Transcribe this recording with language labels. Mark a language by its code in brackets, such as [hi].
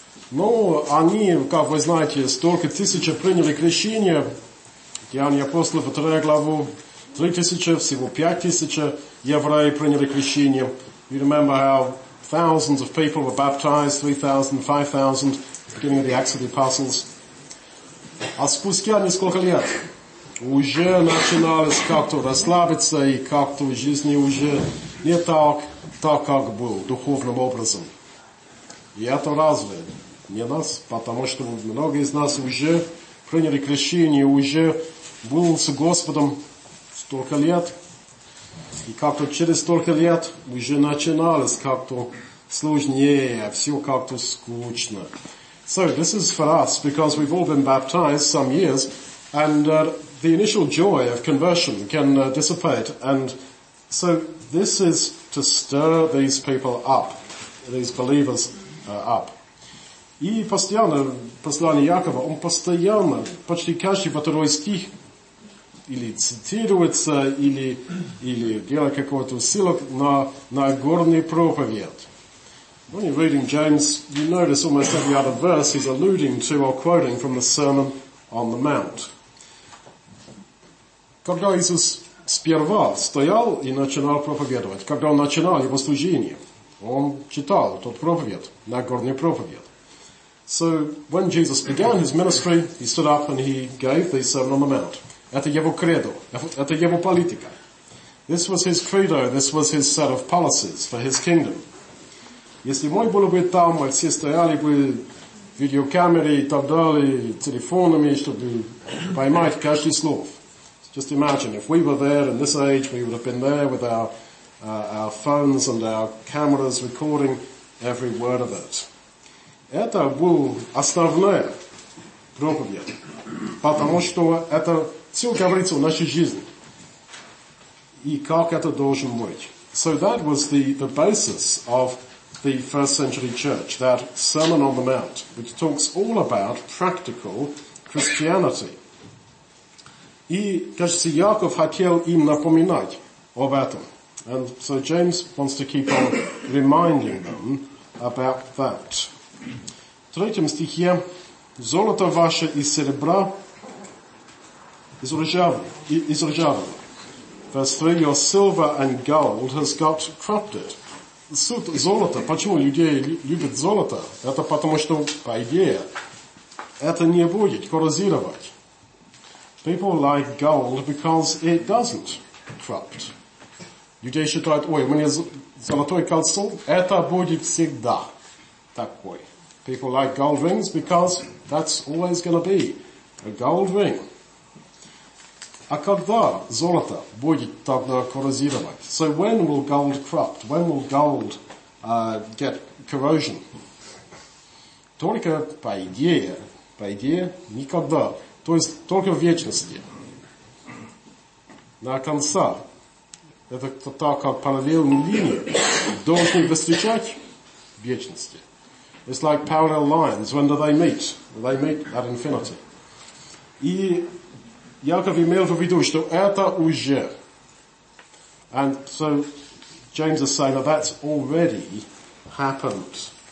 [ru] Но они, как вы знаете, столько тысяч приняли крещение, Деяния апостолов 3 главу, 3000, всего 5000 евреи приняли крещение. [en] You remember how thousands of people were baptized, 3,000, 5,000, beginning of the Acts of the Apostles. [ru] А спустя несколько лет уже начиналось как-то расслабиться, и как-то в жизни уже не так, как был, духовным образом. И это разве не нас? Потому что многие из нас уже приняли крещение, уже был с Господом столько лет, и как-то через столько лет уже начиналось как-то сложнее, все как-то скучно. [en] So this is for us, because we've all been baptized some years, and the initial joy of conversion can dissipate. And so this is to stir these people up, these believers up. [ru] И постоянно, послание Якова, он постоянно, почти каждый второй стих, или цитируется, или делает какой-то ссылок на горный проповедь. [en] When you're reading James, you notice almost every other verse he's alluding to or quoting from the Sermon on the Mount. [ru] Когда Иисус сперва стоял и начинал проповедовать, когда он начинал его служение, он читал тот проповедь, Нагорный проповедь. [en] So, when Jesus began his ministry, he stood up and he gave the Sermon on the Mount. [ru] Это его кредо, это его политика. [en] This was his credo, this was his set of policies for his kingdom. [ru] Если мы были бы там, мы все стояли бы видеокамерой и так далее, телефонами, чтобы поймать каждый слов. [en] Just imagine, if we were there in this age, we would have been there with our phones and our cameras recording every word of it. [ru] Это был основная проповедь, потому что это все говорится в нашей жизни. И как это должен быть. [en] So that was the basis of the first century church, that Sermon on the Mount, which talks all about practical Christianity. [ru] И, кажется, Яков хотел им напоминать об этом. [en] And so James wants to keep on reminding them about that. [ru] В третьем стихе, золото ваше и серебра изржавы. [en] Verse 3, your silver and gold has got corrupted. [ru] Суть золота, почему люди любят золото, это потому что, по идее, это не будет коррозировать. [en] People like gold because it doesn't corrupt. [ru] Люди считают, ой, у меня золотой кольцо, это будет всегда такой. [en] People like gold rings because that's always going to be a gold ring. [ru] А когда золото будет тогда коррозировать? [en] So when will gold corrupt? When will gold get corrosion? [ru] Только по идее, никогда. То есть только в вечности. На конца. Это так, как параллельные линии должны встречать в вечности. [en] It's like parallel lines. When do they meet? Will they meet at infinity? [ru] И Яков имел в виду, что это уже. [en] And so James is saying that that's already happened.